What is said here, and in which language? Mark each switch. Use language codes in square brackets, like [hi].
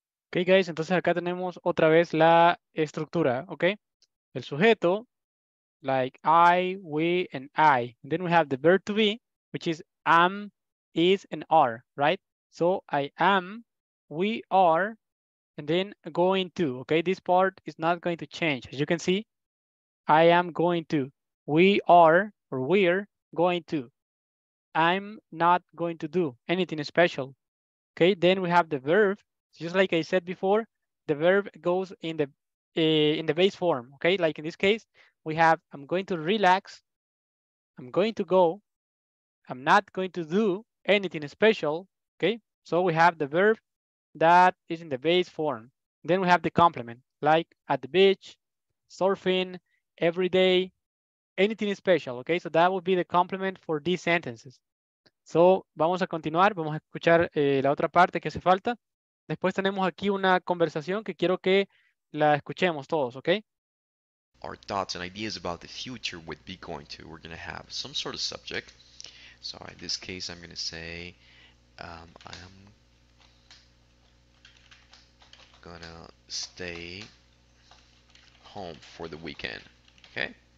[es] Ok, guys, entonces acá tenemos otra vez la estructura, ok? El sujeto, [en] like I, we, and I. And then we have the verb to be, which is am, is, and are, right? So I am, we are, and then going to, ok? This part is not going to change. As you can see, I am going to. We are, or we're, going to. I'm not going to do anything special, ok? Then we have the verb. Just like I said before, the verb goes in the in the base form, okay? Like in this case, we have, I'm going to relax, I'm going to go, I'm not going to do anything special, okay? So we have the verb that is in the base form. Then we have the complement, like at the beach, surfing, every day, anything special, okay? So that would be the complement for these sentences. [es] So vamos a continuar, vamos a escuchar la otra parte que hace falta. Después tenemos aquí una conversación que quiero que la escuchemos todos, okay? [en] Our thoughts and ideas about the future would be going to, we're going to have some sort of subject. So in this case, I'm going to say, I'm going to stay home for the weekend, okay?